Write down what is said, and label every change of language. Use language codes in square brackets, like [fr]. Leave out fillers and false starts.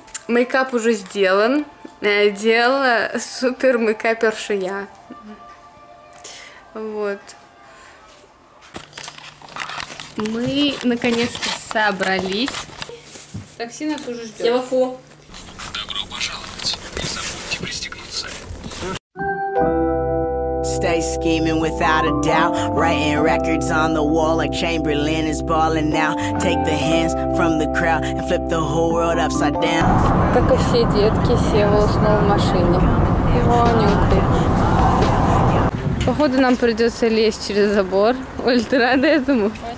[ru] Мейкап уже сделан. Делала супер мейкаперша я. Вот. Мы наконец-то собрались. Такси нас уже ждет. Телефон. Добро пожаловать. Не забудьте пристегнуться. [en] Stay scheming without a doubt. Writing records on the wall like Chamberlain is balling now. Take the hands from the crowd and flip the whole world upside down. [ru] Как и все детки, Сева уснул в машине. Вонюкой. Походу, нам придется лезть через забор. Оль, ты рада этому?